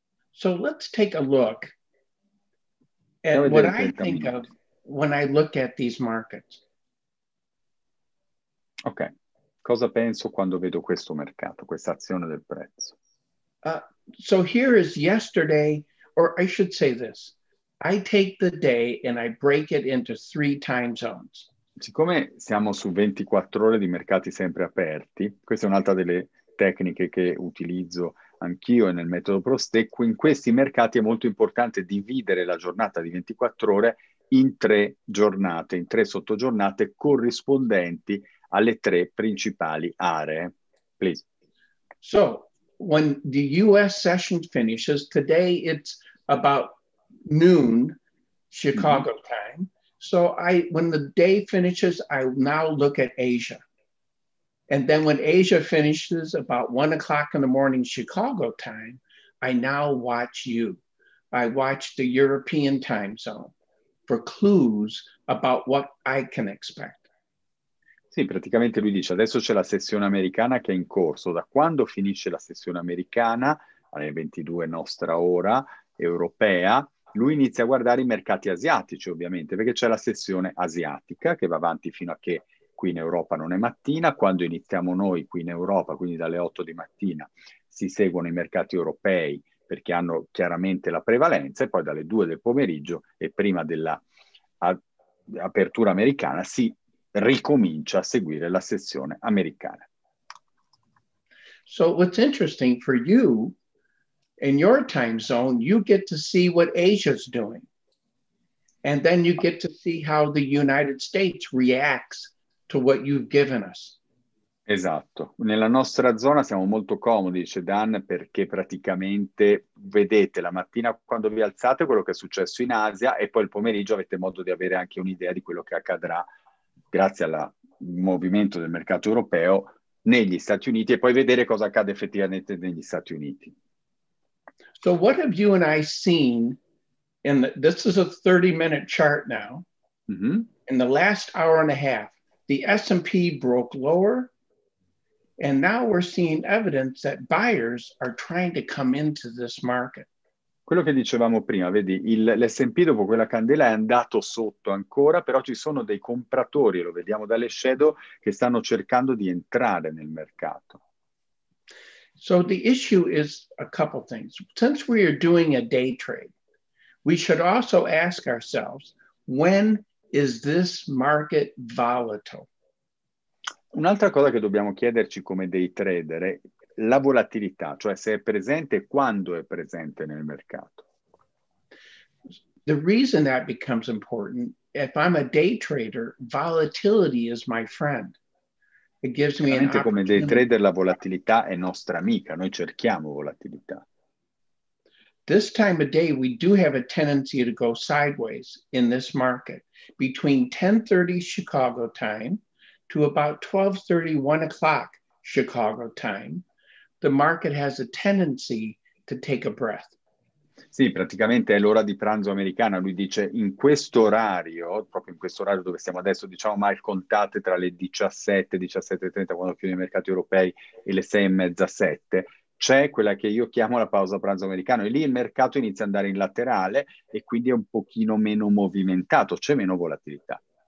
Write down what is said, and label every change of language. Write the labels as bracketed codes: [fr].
[en] So let's take a look at what I think of when I look at these markets. [it] Ok, cosa penso quando vedo questo mercato, questa azione del prezzo? [en] So here is yesterday, or I should say this. I take the day and I break it into three time zones. [it] Siccome siamo su 24 ore di mercati sempre aperti, questa è un'altra delle tecniche che utilizzo anch'io nel metodo Prostecco, in questi mercati è molto importante dividere la giornata di 24 ore in tre giornate, in tre sottogiornate corrispondenti alle tre principali aree. [en] Please. So, when the US session finishes, today it's about noon Chicago mm-hmm. time. So I, when the day finishes, I now look at Asia. And then when Asia finishes about 1 o'clock in the morning Chicago time, I now watch you. I watch the European time zone for clues about what I can expect. [it] Sì, praticamente lui dice, adesso c'è la sessione americana che è in corso. Da quando finisce la sessione americana, alle 22 nostra ora, europea, lui inizia a guardare i mercati asiatici, ovviamente, perché c'è la sessione asiatica che va avanti fino a che qui in Europa non è mattina. Quando iniziamo noi qui in Europa, quindi dalle 8 di mattina, si seguono i mercati europei perché hanno chiaramente la prevalenza e poi dalle 2 del pomeriggio e prima dell'apertura americana si ricomincia a seguire la sessione americana. [en] So what's interesting for you, in your time zone, you get to see what Asia's doing. And then you get to see how the United States reacts to what you've given us. [it] Esatto. Nella nostra zona siamo molto comodi, dice Dan, perché praticamente vedete la mattina quando vi alzate quello che è successo in Asia e poi il pomeriggio avete modo di avere anche un'idea di quello che accadrà grazie al movimento del mercato europeo negli Stati Uniti e poi vedere cosa accade effettivamente negli Stati Uniti. [en] So what have you and I seen in the, this is a 30-minute chart now. Mm-hmm. In the last hour and a half, the S&P broke lower, and now we're seeing evidence that buyers are trying to come into this market. [it] Quello che dicevamo prima, vedi, l'S&P dopo quella candela è andato sotto ancora, però ci sono dei compratori, lo vediamo dalle shadow, che stanno cercando di entrare nel mercato. [en] So the issue is a couple things. Since we are doing a day trade, we should also ask ourselves, when is this market volatile? [it] Un'altra cosa che dobbiamo chiederci come day trader è la volatilità, cioè se è presente e quando è presente nel mercato. [en] The reason that becomes important, if I'm a day trader, volatility is my friend. It gives me [it] an come day trader la volatilità è nostra amica, noi cerchiamo volatilità. [en] This time of day we do have a tendency to go sideways in this market between 10:30 Chicago time to about 12:30, 1 o'clock Chicago time. The market has a tendency to take a breath. [it] Sì, praticamente è l'ora di pranzo americana. Lui dice in questo orario, proprio in questo orario dove stiamo adesso, diciamo mal contate tra le 17:30 quando chiudono i mercati europei e le 6:30, 7, c'è quella che io chiamo la pausa pranzo americano e lì il mercato inizia ad andare in laterale e quindi è un pochino meno movimentato, c'è meno volatilità.